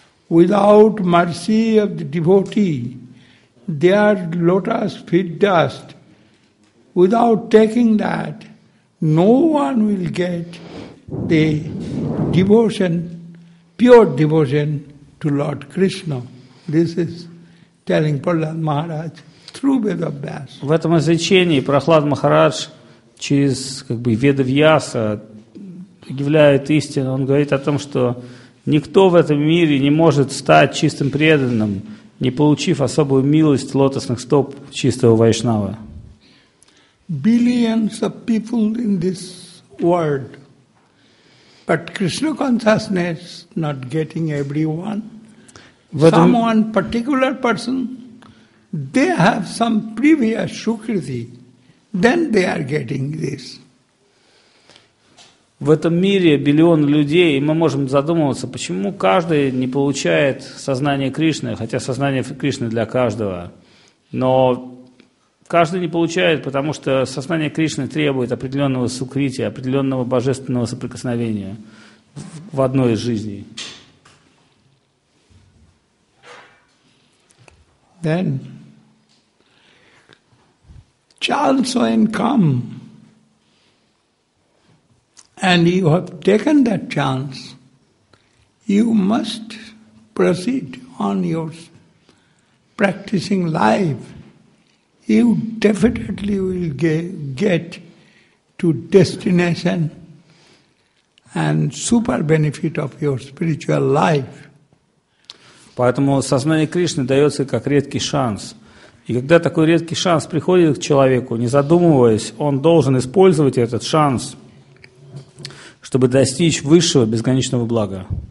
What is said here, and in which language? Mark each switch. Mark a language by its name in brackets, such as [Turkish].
[English] Without mercy of the devotee, their lotus feet dust, without taking that, no one will get the devotion, pure devotion to Lord Krishna. This is telling Prahlad Maharaj through Vedavyas. [Russian] В этом изречении Прохлад Махарадж через как бы Ведавьяса являет истину. Он говорит о том, что никто в этом мире не может стать чистым преданным, не получив особую милость лотосных стоп чистого вайшнава. [English] Billions of people in this world, but Krishna consciousness not getting everyone. Someone particular person, they have some previous sukriti, then they are getting this. [Russian] В этом мире биллион людей, и мы можем задумываться, почему каждый не получает сознание Кришны, хотя сознание Кришны для каждого. Но каждый не получает, потому что сознание Кришны требует определенного сукрити, определенного божественного соприкосновения в одной из жизней. [English] Then chance when come. And you have taken that chance, you must proceed on your practicing life, you definitely will get to destination and super benefit of your spiritual life. [Russian] Поэтому сознание Кришны дается как редкий шанс. И когда такой редкий шанс приходит к человеку, не задумываясь, он должен использовать этот шанс, чтобы достичь высшего безграничного блага.